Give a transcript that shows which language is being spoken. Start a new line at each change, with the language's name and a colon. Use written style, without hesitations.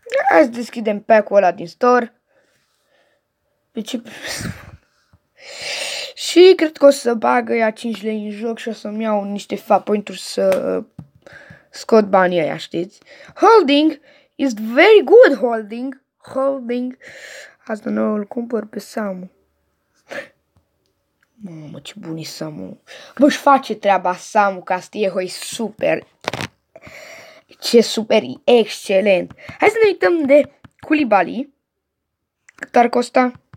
Romanian: Hai să deschidem pack-ul ăla din store. Deci... și cred că o să bagă ea 5 lei în joc și o să-mi iau niște fapointuri să scot banii aia, știți?
English: Holding is very good, holding. Holding.
Romanian: Asta nu îl cumpăr pe Samu. Mamă, ce bun e Samu. Bă-și face treaba Samu, că asta e super. Ce super, excelent. Hai să ne uităm de Koulibaly. Cât ar costa?